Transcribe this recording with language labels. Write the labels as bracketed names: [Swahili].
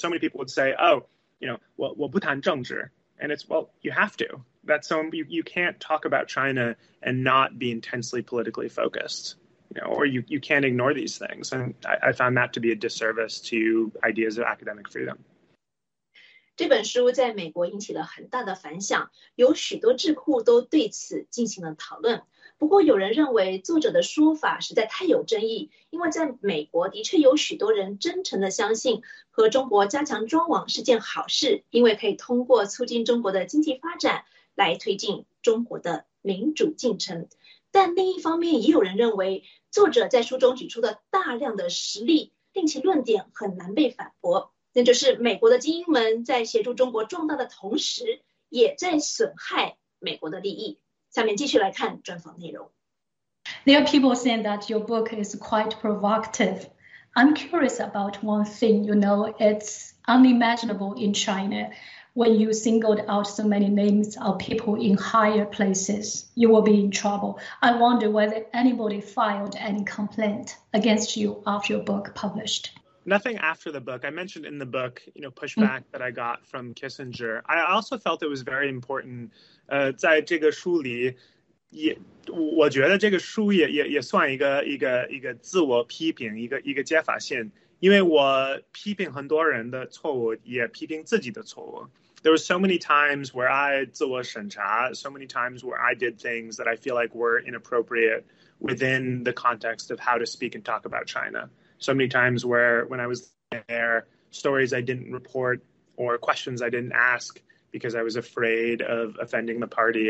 [English] So many people would say, oh, you know, [Chinese] 我不谈政治. [English] And it's, well, you have to. That's so you can't talk about China and not be intensely politically focused. know, or you can't ignore these things. And I found that to be a disservice to ideas of academic freedom. [Chinese] 这本书在美国引起了很大的反响，有许多智库都对此进行了讨论。不过有人认为作者的说法实在太有争议，因为在美国的确有许多人真诚地相信和中国加强中网是件好事，因为可以通过促进中国的经济发展来推进中国的民主进程。但另一方面，也有人认为作者在书中举出的大量的实例令其论点很难被反驳，那就是美国的精英们在协助中国壮大的同时也在损害美国的利益。下面继续来看专访内容。 [English] There are people saying that your book is quite provocative. I'm curious about one thing. You know, it's unimaginable in China when you singled out so many names of people in higher places. You will be in trouble. I wonder whether anybody filed any complaint against you after your book published. Nothing after the book. I mentioned in the book, you know, pushback that I got from Kissinger. I also felt it was very important. [Chinese] 在这个书里也，我觉得这个书也算一个自我批评，一个解法线。因为我批评很多人的错误，也批评自己的错误。 [English] There were so many times where I [Chinese] 自我审查 [English] so many times where I did things that I feel like were inappropriate within the context of how to speak and talk about China. So many times where when I was there, stories I didn't report or questions I didn't ask because I was afraid of offending the party.